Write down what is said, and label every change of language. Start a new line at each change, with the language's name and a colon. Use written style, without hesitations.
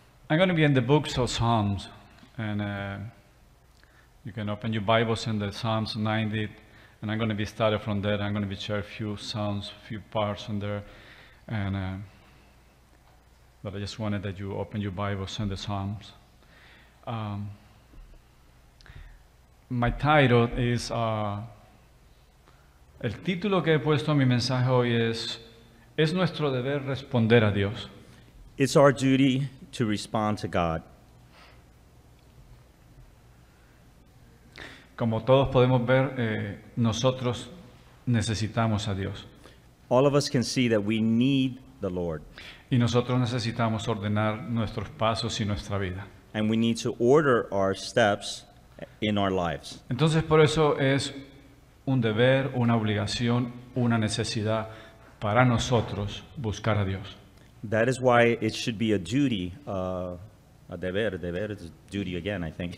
English: I'm going to be in the books of Psalms, and you can open your Bibles in the Psalms 90, and I'm going to be starting from there. I'm going to be sharing a few Psalms, a few parts in there, but I just wanted that you open your Bibles in the Psalms. My title is,
Spanish: el título que he puesto a mi mensaje hoy es nuestro deber responder a Dios.
English: It's our duty to respond to God.
Spanish: Como todos podemos ver, nosotros necesitamos a Dios.
English: All of us can see that we need the Lord.
Spanish: Y nosotros necesitamos ordenar nuestros pasos y nuestra vida.
English: And we need to order our steps in our lives.
Spanish: Entonces, por eso es un deber, una obligación, una necesidad para nosotros buscar a Dios.
English: That is why it should be a duty, a deber, deber is duty again, I think.